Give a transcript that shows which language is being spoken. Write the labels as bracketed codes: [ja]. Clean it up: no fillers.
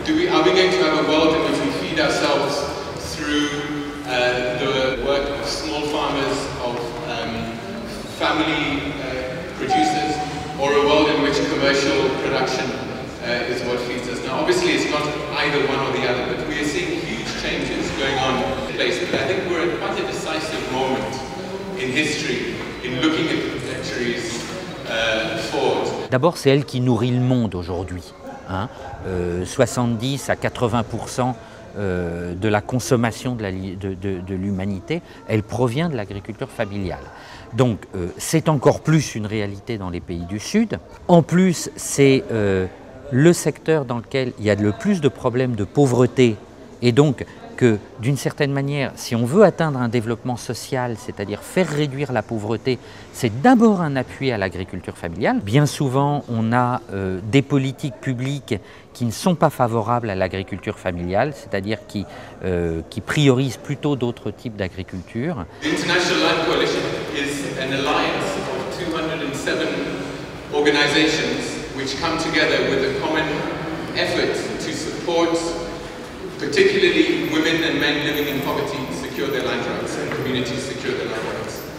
[en] Are we going to have a world in which we feed ourselves through the work of small farmers, of family producers, or a world in which commercial production is what feeds us? Now, obviously, it's not either one or the other, but we are seeing huge changes going on in place. But I think we're at quite a decisive moment in history in looking at trajectories forward. [fr] D'abord, c'est elle qui nourrit le monde aujourd'hui. 70 à 80% de la consommation de l'humanité, elle provient de l'agriculture familiale. Donc c'est encore plus une réalité dans les pays du Sud. En plus, c'est le secteur dans lequel il y a le plus de problèmes de pauvreté. Et donc, que d'une certaine manière, si on veut atteindre un développement social, c'est-à-dire faire réduire la pauvreté, c'est d'abord un appui à l'agriculture familiale. Bien souvent, on a des politiques publiques qui ne sont pas favorables à l'agriculture familiale, c'est-à-dire qui priorisent plutôt d'autres types d'agriculture. [en] L'International Land Coalition is an alliance of 207 organizations which come together with a common effort to support particularly women and men living in poverty secure their land rights and communities secure their land rights.